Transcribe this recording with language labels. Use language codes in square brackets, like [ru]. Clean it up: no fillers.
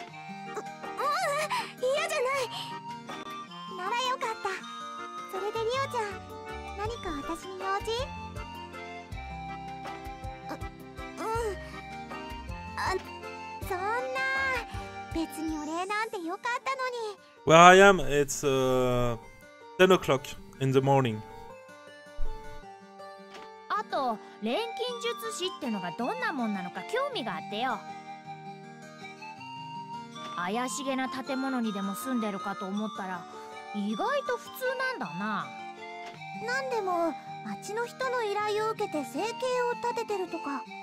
[ja] ううん、嫌じゃない。ならよかった。それでリオちゃん、何か私に用事？そんな別にお礼なんてよかったのに。 [en] Where I am, it's 10 o'clock in the morning. [ja] あと、錬金術師ってのがどんなもんなのか興味があってよ。怪しげな建物にでも住んでるかと思ったら、意外と普通なんだな。なんでも、町の人の依頼を受けて生計を立ててるとか。